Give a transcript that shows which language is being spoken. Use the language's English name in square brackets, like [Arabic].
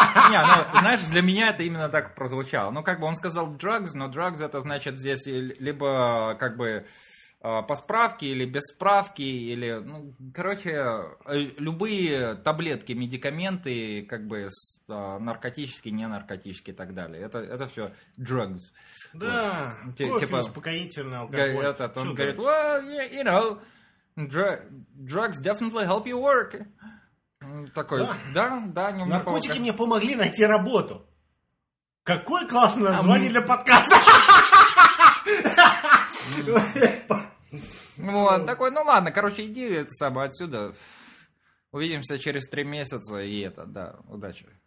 [Russian] Не, ну, знаешь, для меня это именно так прозвучало. Ну, как бы он сказал drugs, но drugs это значит здесь либо как бы по справке или без справки, или, ну, короче, любые таблетки, медикаменты, как бы наркотические, ненаркотические и так далее. Это все drugs. Да, вот. Типа, успокоительный алкоголь. Этот, он говорит, [English] well, you know... Drugs definitely help you work. [Russian] Такой, да, не помогли. Наркотики мне помогли найти работу. Какое классное название для подкаста. Вот, такой, ну ладно, короче, иди это самое отсюда. Увидимся через 3 месяца, и это, да, удачи.